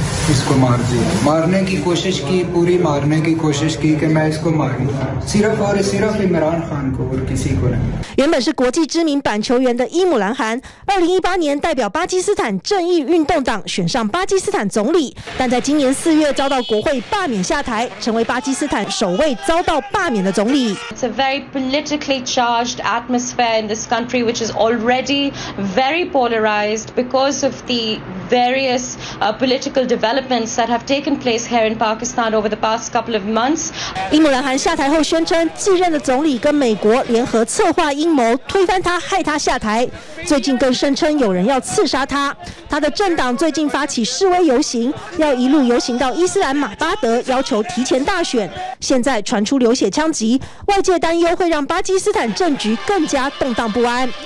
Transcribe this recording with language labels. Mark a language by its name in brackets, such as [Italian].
[Hindi] इसको मार दिया मारने की कोशिश की पूरी मारने की कोशिश की कि मैं इसको मारूंगा सिर्फ और सिर्फ इमरान खान को और किसी को नहीं। [Chinese] 原本是国际知名板球员的伊姆兰汗，2018年代表巴基斯坦正义运动党选上巴基斯坦总理，但在今年4月遭到国会罢免下台，成为巴基斯坦首位遭到罢免的总理。 [English] It's a very politically charged atmosphere in this country, which is already very polarized because of the various political developments that have taken place here in Pakistan over the past couple of months. [Chinese] 伊姆兰汗下台后宣称，继任的总理跟美国联合策划阴谋推翻他，害他下台。最近更声称有人要刺杀他。他的政党最近发起示威游行，要一路游行到伊斯兰马巴德，要求提前大选。现在传出流血枪击，外界担忧会让巴基斯坦政局更加动荡不安。